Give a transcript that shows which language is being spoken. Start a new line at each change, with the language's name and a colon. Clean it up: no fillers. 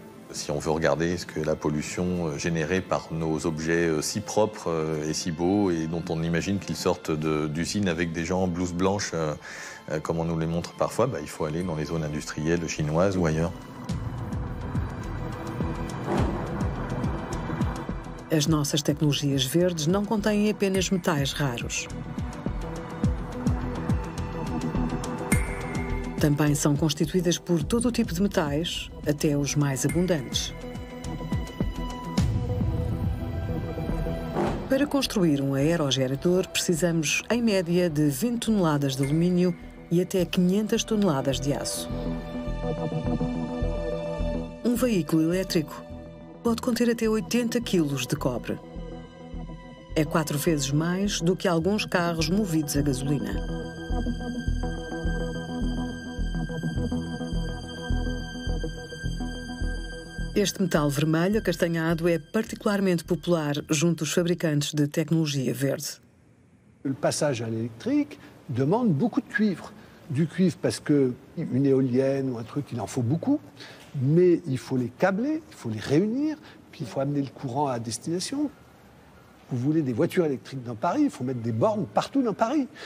French: Si on veut regarder ce que la pollution générée par nos objets si propres et si beaux et dont on imagine qu'ils sortent d'usines avec des gens en blouse blanche, comme on nous les montre parfois, bah, il faut aller dans les zones industrielles chinoises ou ailleurs.
Portuguese: As nossas tecnologias verdes não contêm apenas metais raros. Também são constituídas por todo o tipo de metais, até os mais abundantes. Para construir um aerogerador, precisamos, em média, de 20 toneladas de alumínio e até 500 toneladas de aço. Um veículo elétrico pode conter até 80 quilos de cobre. É 4 vezes mais do que alguns carros movidos a gasolina. Este metal vermelho acastanhado é particularmente popular junto aos fabricantes de tecnologia verde.
French: O passage à l'électrique demande beaucoup de cuivre. Du cuivre parce que une éolienne ou un truc, il en faut beaucoup, mais il faut les câbler, il faut les réunir, puis il faut amener le courant à destination. Vous voulez des voitures électriques dans Paris, il faut mettre des bornes partout dans Paris.